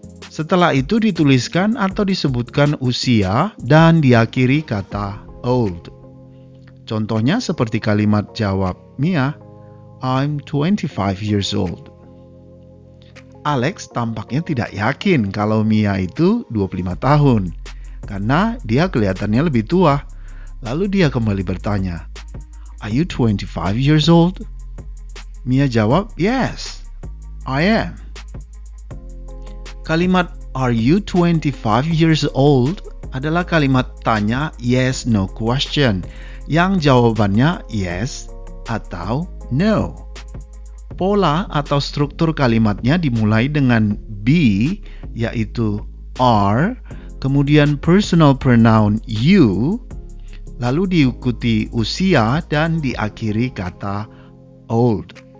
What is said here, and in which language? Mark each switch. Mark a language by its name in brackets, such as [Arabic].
[Indonesian] Setelah itu dituliskan atau disebutkan usia dan diakhiri kata old. Contohnya seperti kalimat jawab Mia, [English] I'm 25 years old. [Indonesian] Alex tampaknya tidak yakin kalau Mia itu 25 tahun, karena dia kelihatannya lebih tua. Lalu dia kembali bertanya, [English] are you 25 years old? Mia jawab, yes, I am. [Indonesian] Kalimat [English] are you 25 years old [Indonesian] adalah kalimat tanya [English] yes, no question, [Indonesian] yang jawabannya yes atau no. Pola atau struktur kalimatnya dimulai dengan be, yaitu are, kemudian personal pronoun you, lalu diikuti usia dan diakhiri kata old.